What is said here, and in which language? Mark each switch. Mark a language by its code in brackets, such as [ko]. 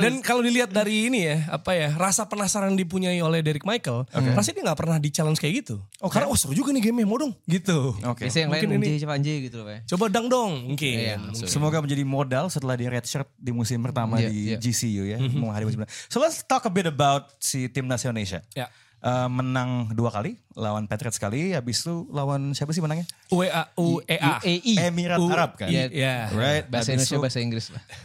[id] Dan kalau dilihat dari ini ya, apa ya, rasa penasaran dipunyai oleh Derek Michael, rasanya dia gak pernah di-challenge kayak gitu. Oh, karena seru juga nih game-nya, mau dong. Gitu. Biasanya yang lain anjir gitu loh. Coba dang dong. Mungkin. Semoga menjadi modal setelah dia redshirt di musim pertama di GCU ya. [en] So let's talk a bit about si Timnas Indonesia. [id] Ya. Menang dua kali lawan Patriots sekali, habis itu lawan siapa sih menangnya? UAE. Emirat Arab kan? Right. Bahasa habis Indonesia, bahasa Inggris lah.